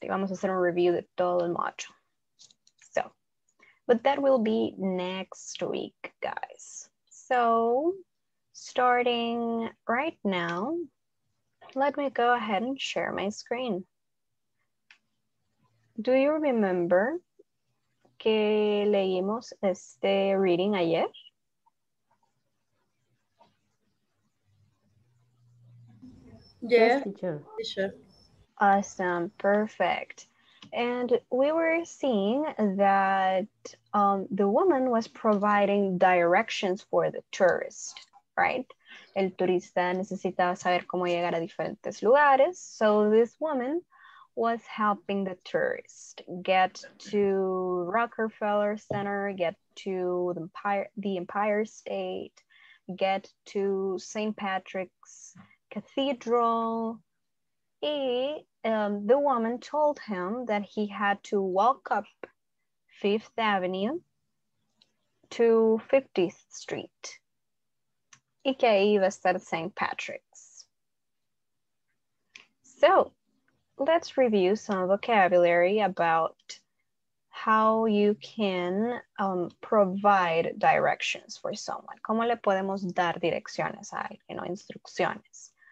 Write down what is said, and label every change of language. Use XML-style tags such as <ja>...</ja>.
<es>Y vamos a hacer un review de todo el module.</es> <en>So, but that will be next week, guys. So, starting right now, let me go ahead and share my screen. Do you remember</en> <es>que leímos este</es> <en>reading ayer? Yeah. Yes, teacher. Awesome, perfect. And we were seeing that the woman was providing directions for the tourist, right?</en> <es>El turista necesitaba saber cómo llegar a diferentes lugares.</es> <en>So this woman was helping the tourist get to Rockefeller Center, get to the Empire State, get to St. Patrick's Cathedral, the woman told him that he had to walk up Fifth Avenue to 50th Street.</en> <es>Y que ahí va a estar</es> <en>St. Patrick's. So, let's review some vocabulary about how you can provide directions for someone.</en> <es>¿Cómo le podemos dar direcciones a alguien, o instrucciones?</es>